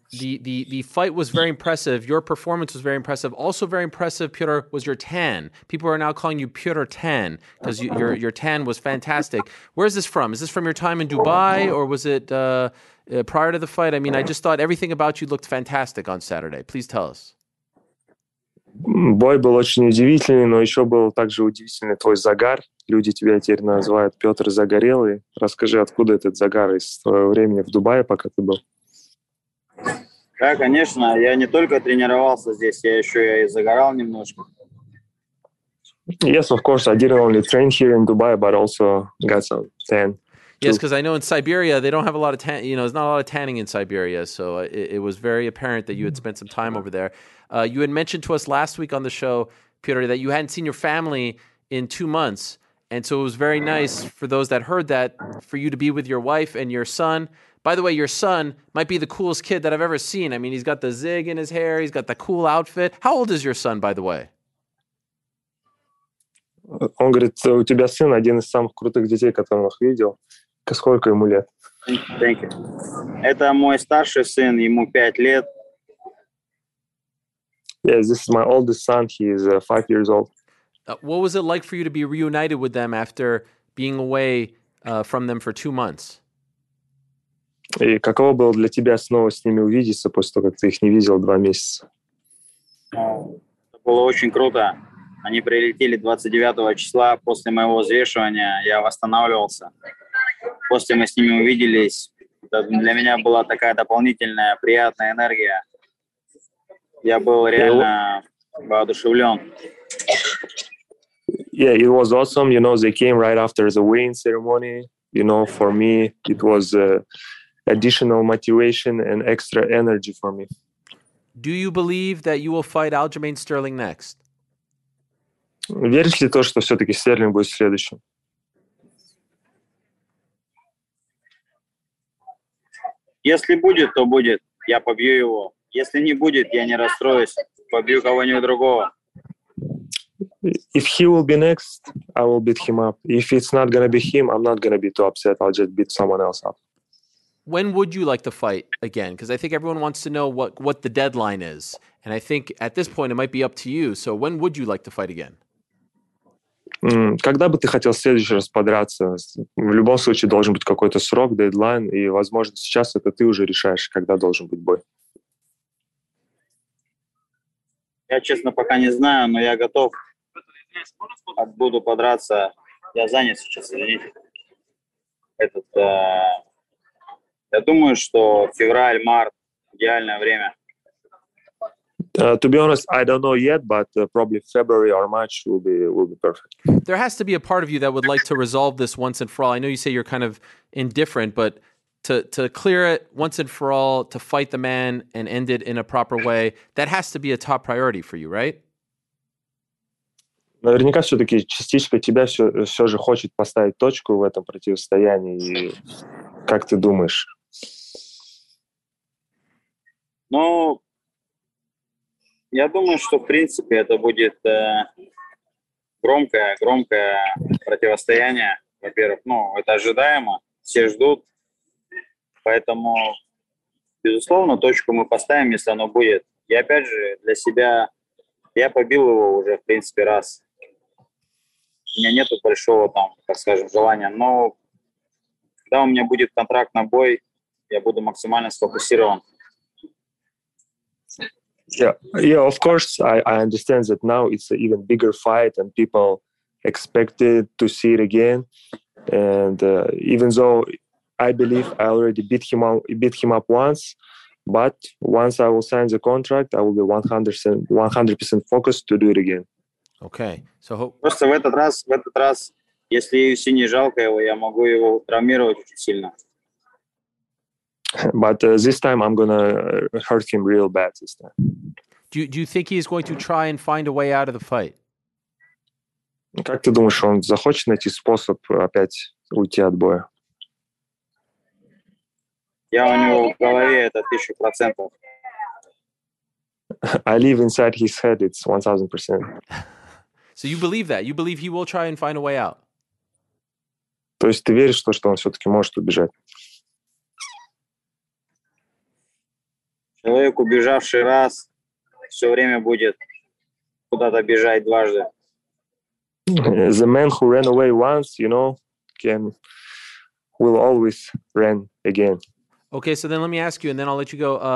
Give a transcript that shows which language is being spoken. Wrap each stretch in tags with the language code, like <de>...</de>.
<en>The fight was very impressive. Your performance was very impressive. Also very impressive, Petr, was your tan. People are now calling you Petr Tan because your tan was fantastic. Where is this from? Is this from your time in Dubai or was it prior to the fight? I mean, I just thought everything about you looked fantastic on Saturday. Please tell us.</en> <ru>Бой был очень удивительный, но еще был также удивительный твой загар. Люди тебя теперь называют Петр Загорелый. Расскажи, откуда этот загар из твоего времени в Дубае, пока ты был? Да, конечно. Я не только тренировался здесь, я еще и загорал немножко.</ru> <en>Yes, of course. I didn't only train here in Dubai, but also got some tan. Yes, because I know in Siberia, they don't have a lot of tan. You know, there's not a lot of tanning in Siberia. So it was very apparent that you had spent some time over there. You had mentioned to us last week on the show, Petr, that you hadn't seen your family in 2 months. And so it was very nice for those that heard that, for you to be with your wife and your son. By the way, your son might be the coolest kid that I've ever seen. I mean, he's got the zig in his hair. He's got the cool outfit. How old is your son, by the way?</en> <ru>Он говорит, у тебя сын один из самых крутых детей, которых видел. Сколько ему лет?</ru> <en>Thank you.</en> <ru>Это мой старший сын, ему 5 лет.</ru> <en>Yes, this is my oldest son. He is 5 years old. What was it like for you to be reunited with them after being away from them for 2 months?</en> <ru>И каково было для тебя снова с ними увидеться после того, как ты их не видел 2 месяца? Это было очень круто. Они прилетели 29 числа после моего взвешивания. Я восстанавливался. После мы с ними увиделись. Для меня была такая дополнительная приятная энергия. Я был реально воодушевлен.</ru> <en>Yeah, it was awesome. You know, they came right after the weigh-in ceremony. You know, for me, it was additional motivation and extra energy for me. Do you believe that you will fight Aljamain Sterling next?</en> <ru>Веришь ли то, что все-таки Стерлинг будет следующим? Если будет, то будет. Я побью его. Если не будет, я не расстроюсь. Побью кого-нибудь другого.</ru> <en>If he will be next, I will beat him up. If it's not gonna be him, I'm not gonna be too upset. I'll just beat someone else up. When would you like to fight again? Because I think everyone wants to know what the deadline is. And I think at this point, it might be up to you. So when would you like to fight again?</en> <ru>Когда бы ты хотел в следующий раз подраться? В любом случае должен быть какой-то срок, дедлайн, и, возможно, сейчас это ты уже решаешь, когда должен быть бой. Я, честно, пока не знаю, но я готов. Буду подраться. Я занят сейчас, извините. Я думаю, что февраль, март – идеальное время.</ru> <en>To be honest, I don't know yet, but probably February or March will be perfect. There has to be a part of you that would like to resolve this once and for all. I know you say you're kind of indifferent, but to clear it once and for all, to fight the man and end it in a proper way, that has to be a top priority for you, right?</en> <ru>Наверняка все-таки частичка тебя все же хочет поставить точку в этом противостоянии. Как ты думаешь? Ну... Я думаю, что, в принципе, это будет громкое противостояние, во-первых. Ну, это ожидаемо, все ждут. Поэтому, безусловно, точку мы поставим, если оно будет. И опять же, для себя, я побил его уже, в принципе, раз. У меня нету большого там, так скажем, желания. Но когда у меня будет контракт на бой, я буду максимально сфокусирован.</ru> <en>Yeah, of course, I understand that now it's an even bigger fight and people expected to see it again. And even though I believe I already beat him up once, but once I will sign the contract, I will be 100% focused to do it again. Okay. So</en> <ru>просто в этот раз, если UFC не жалко его, я могу его травмировать очень сильно.</ru> <en>But this time I'm going to hurt him real bad this time. Do you think he's going to try and find a way out of the fight?</en> <ru>Как ты думаешь, он захочет найти способ опять уйти от боя? Я у него в голове это 1000%.</ru> <en>I live inside his head, it's 1000%. So you believe that? You believe he will try and find a way out?</en> <ru>То есть ты веришь в то, что он все-таки может убежать? Человек, убежавший раз, все время будет куда-то бежать дважды.</ru> <en>The man who ran away once, you know, will always run again. Okay, so then let me ask you, and then I'll let you go.</en>